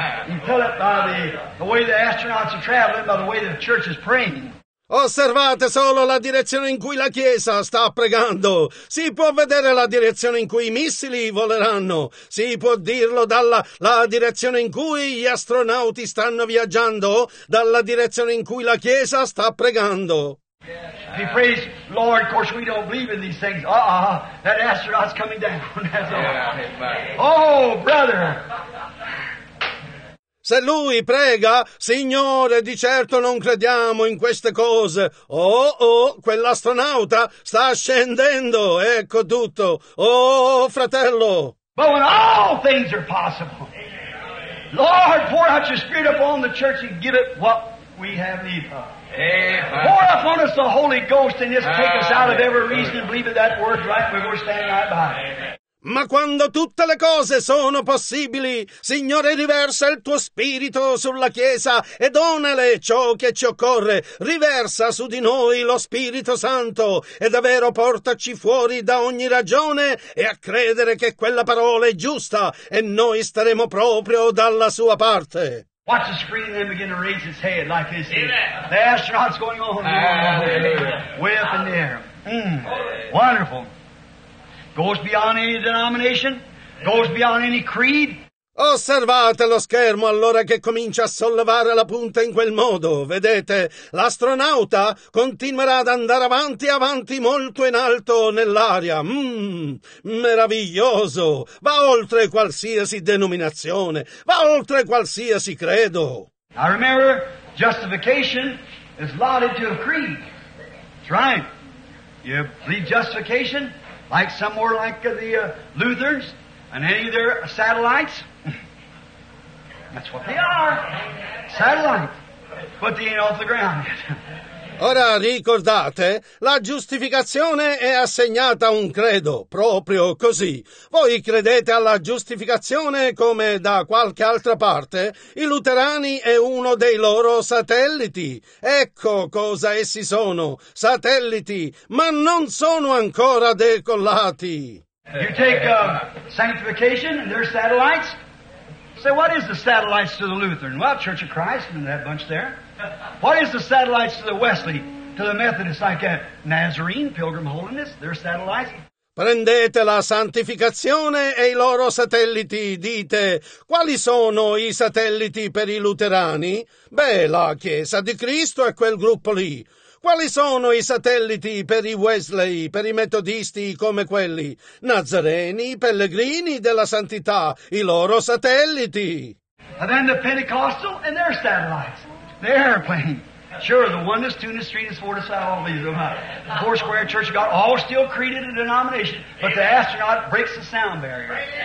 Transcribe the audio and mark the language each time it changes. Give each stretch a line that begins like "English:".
English: You tell it by the way the astronauts are traveling, by the way the church is praying.
Italian: Osservate solo la direzione in cui la Chiesa sta pregando. Si può vedere la direzione in cui i missili voleranno. Si può dirlo dalla la direzione in cui gli astronauti stanno viaggiando, dalla direzione in cui la Chiesa sta pregando.
English: He prays, Lord, of course we don't believe in these things. Uh-uh, that astronaut's coming down. That's all. Oh, brother!
Italian: Se lui prega, Signore, di certo non crediamo in queste cose. Oh, oh, quell'astronauta sta scendendo. Ecco tutto. Oh, fratello!
English: But when all things are possible, Lord, pour out your spirit upon the church and give it what we have need of. Amen. Pour upon us the Holy Ghost and just take us out of every reason and believe in that word right where we're standing right by.
Italian: Ma quando tutte le cose sono possibili, Signore, riversa il tuo spirito sulla Chiesa e donale ciò che ci occorre. Riversa su di noi lo Spirito Santo e davvero portaci fuori da ogni ragione e a credere che quella parola è giusta e noi staremo proprio dalla sua parte.
English: Watch the screen and then begin to raise his head like this. The astronaut's going on. Way up in the air. Wonderful. Goes beyond any denomination. Goes beyond any creed.
Italian: Osservate lo schermo allora che comincia a sollevare la punta in quel modo. Vedete, l'astronauta continuerà ad andare avanti, avanti molto in alto nell'aria. Meraviglioso! Va oltre qualsiasi denominazione, va oltre qualsiasi credo.
English: I remember justification is lauded to a creed. That's right. You believe justification like somewhere like the Lutherans and any of their satellites? That's what they are. Satellite. But they ain't off the ground yet.
Italian: Ora ricordate, la giustificazione è assegnata a un credo, proprio così. Voi credete alla giustificazione come da qualche altra parte? I luterani è uno dei loro satelliti. Ecco cosa essi sono, satelliti, ma non sono ancora decollati.
English: You take sanctification and their satellites? Say, what is the satellites to the Lutheran? Well, Church of Christ and that bunch there. What is the satellites to the Wesley, to the Methodist, like a Nazarene, Pilgrim Holiness, their satellites?
Italian: Prendete la santificazione e i loro satelliti, dite, quali sono i satelliti per i luterani? Beh, la Chiesa di Cristo è quel gruppo lì. Quali sono i satelliti per i Wesley, per i metodisti come quelli? Nazareni, pellegrini della santità, i loro satelliti.
English: And then the Pentecostal and their satellites. The airplane. Sure, the oneness, tuneness, threeness, fourness, all these are not. The four square church of God, all still created a denomination, but the astronaut breaks the sound barrier.